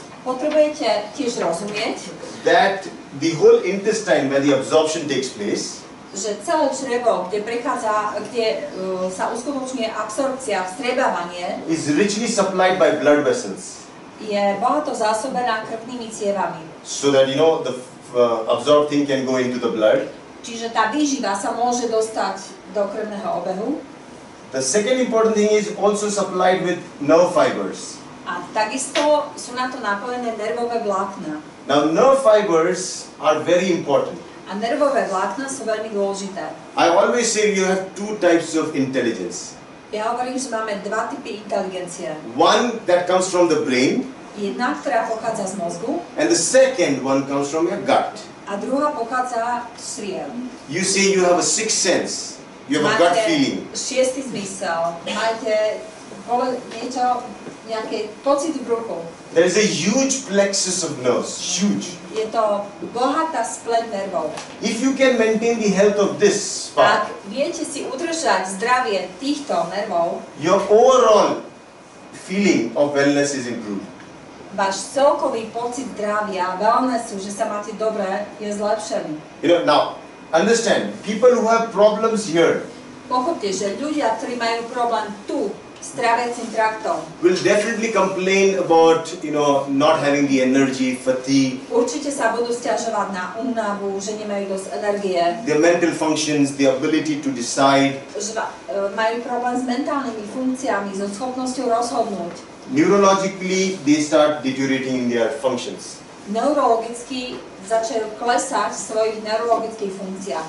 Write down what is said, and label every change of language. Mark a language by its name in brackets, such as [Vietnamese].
[Slovak] Potrebujete tiež rozumieť. [English] That the whole intestine where the absorption takes place. [Slovak] Že celé črevo, kde prechádza, kde sa uskutočňuje absorpcia, vstrebávanie. [English] Is richly supplied by blood vessels. [Slovak] Je bohato zásobená krvnými cievami. [English] So that, you know, the absorbed thing can go into the blood. [Slovak] Čiže tá výživa sa môže dostať do krvného obehu. [English] The second important thing is also supplied with nerve fibers. [Slovak] A takisto sú na to napojené nervové vlákna. [English] Now nerve fibers are very important. [Slovak] A nervové vlákna sú veľmi dôležité. [English] I always say you have two types of intelligence. [Slovak] Ja hovorím, že máme dva typy inteligencie. [English] One that comes from the brain. [Slovak] Jedna, ktorá pochádza z mozgu. [English] And the second one comes from your gut. [Slovak] A druhá pochádza z riem. [English] You see, you have a sixth sense. You have [Slovak] máte [English] a gut feeling. [Slovak] Máte šiestý zmysel. Máte niečo, nejaké pocity v ruchu. [English] There is a huge plexus of nerves. Huge. [Slovak] Je to bohatá splet nervov. [English] If you can maintain the health of this part, [Slovak] ak viete si udržať zdravie týchto nervov, [English] your overall feeling of wellness is improved. [Slovak] Váš celkový pocit zdravia, wellnessu, že sa máte dobre, je zlepšený. [English] You know, now, understand, people who have problems here, [Slovak] pochopte, že ľudia, ktorí majú problém tu, s tráviacím traktom, [English] will definitely complain about, you know, not having the energy, fatigue. [Slovak] Určite sa budú sťažovať na únavu, že nemajú dosť energie. [English] Their mental functions, the ability to decide. [Slovak] Majú problém s mentálnymi funkciami, so schopnosťou rozhodnúť. [English] Neurologically, they start deteriorating in their functions. [Slovak] Neurologicky začajú klesať svojich neurologických funkciách.